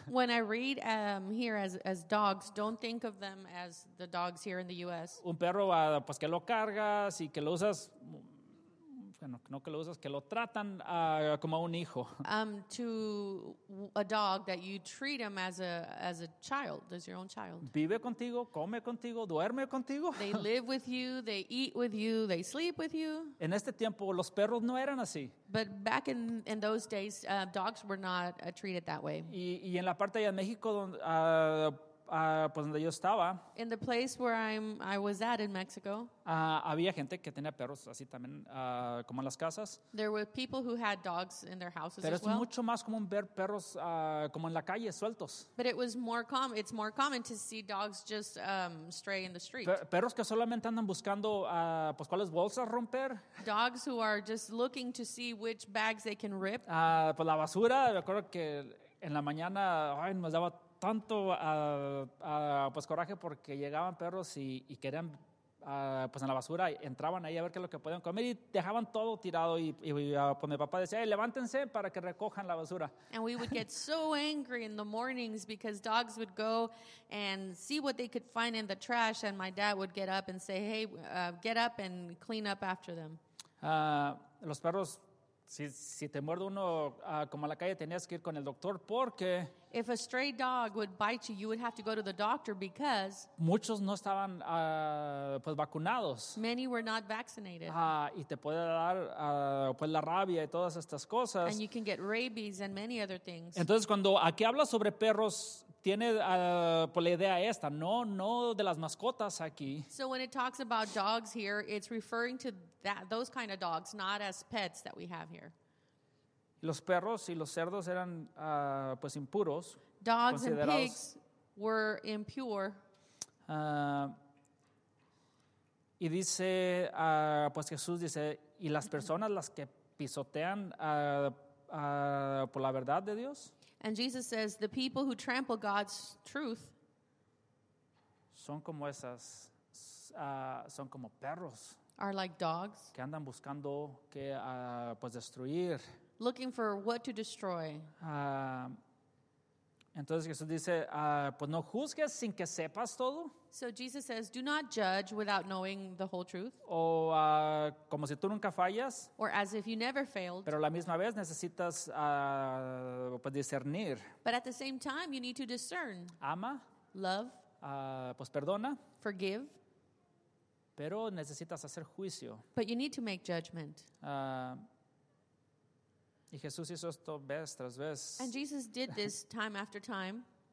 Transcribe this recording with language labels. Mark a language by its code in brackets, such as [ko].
[en] When I read here as dogs, don't think of them as the dogs here in the U.S. [es] Un perro, pues que lo cargas y que lo usas, bueno, no que lo usas, que lo tratan como a un hijo. [en] To a dog that you treat him as a child, as your own child. [es] Vive contigo, come contigo, duerme contigo. [en] They live with you, they eat with you, they sleep with you. [es] En este tiempo los perros no eran así. [en] But back in those days, dogs were not treated that way. [es] Y en la parte de México donde pues donde yo estaba, [en] in the place where I was at in Mexico, [es] había gente que tenía perros así también, como en las casas. [en] There were people who had dogs in their houses. [es] Pero [en] as well. [es] Es mucho más común ver perros como en la calle sueltos. [en] But it was more common. It's more common to see dogs just stray in the street. [es] Perros que solamente andan buscando, pues cuáles bolsas romper. [en] Dogs who are just looking to see which bags they can rip. [es] Pues la basura. Me acuerdo que en la mañana, ay, nos daba tanto pues coraje porque llegaban perros y querían pues en la basura, entraban ahí a ver qué es lo que podían comer y dejaban todo tirado y pues mi papá decía, levántense para que recojan la basura. [en] And we would get so angry in the mornings because dogs would go and see what they could find in the trash and my dad would get up and say, hey, get up and clean up after them. [es] Los perros, si te muerde uno como a la calle, tenías que ir con el doctor porque... [en] If a stray dog would bite you, you would have to go to the doctor because [es] muchos no estaban pues vacunados. [en] Many were not vaccinated. [es] Y te puede dar pues la rabia y todas estas cosas. [en] And you can get rabies and many other things. [es] Entonces cuando aquí habla sobre perros, tiene pues la idea esta, no de las mascotas aquí. [en] So when it talks about dogs here, it's referring to those kind of dogs, not as pets that we have here. [es] Los perros y los cerdos eran pues impuros. [en] Dogs and pigs were impure. [es] Y dice pues Jesús dice, y las personas las que pisotean por la verdad de Dios. [en] And Jesus says the people who trample God's truth [es] son como esas son como perros. [en] Are like dogs. [es] Que andan buscando que pues destruir. [en] Looking for what to destroy. [es] Entonces Jesús dice, pues no juzgues sin que sepas todo. [en] So Jesus says, do not judge without knowing the whole truth. [es] O como si tú nunca fallas. [en] Or as if you never failed. [es] Pero la misma vez necesitas pues discernir. [en] But at the same time, you need to discern. [es] Ama. [en] Love. [es] Pues perdona. [en] Forgive. [es] Pero necesitas hacer juicio. [en] But you need to make judgment. [es] Y Jesús hizo esto vez tras vez. [en] And Jesus did this time after time.